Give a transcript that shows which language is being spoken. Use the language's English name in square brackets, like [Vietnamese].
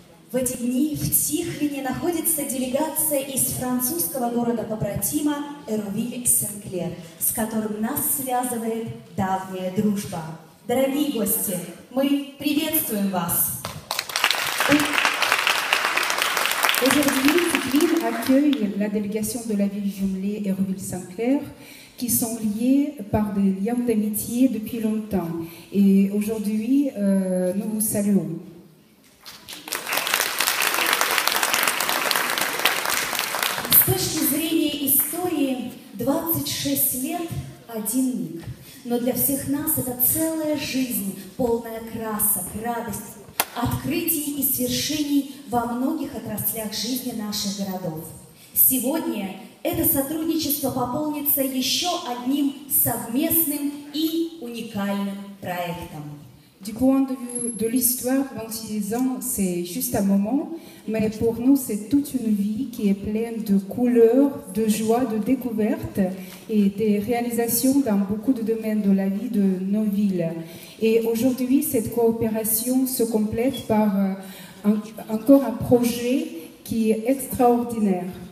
[Russian] В эти дни в Тихвине находится делегация из французского города-побратима Эрувиль-Сен-Клер, с которым нас связывает давняя дружба. Дорогие гости, мы приветствуем вас! [French] Aujourd'hui, Тихвин accueille la délégation de la ville jumelée Эрувиль-Сен-Клер, qui sont liés par des liens d'amitié depuis longtemps. Et aujourd'hui, nous vous saluons. [Russian] С точки зрения истории, 26 лет – один миг. Но для всех нас это целая жизнь, полная красок, радости, открытий и свершений во многих отраслях жизни наших городов. Сегодня это сотрудничество пополнится еще одним совместным и уникальным проектом. [French] Du point de vue de l'histoire, 26 ans, c'est juste un moment, mais pour nous, c'est toute une vie qui est pleine de couleurs, de joie, de découvertes et des réalisations dans beaucoup de domaines de la vie de nos villes. Et aujourd'hui, cette coopération se complète par encore un projet qui est extraordinaire.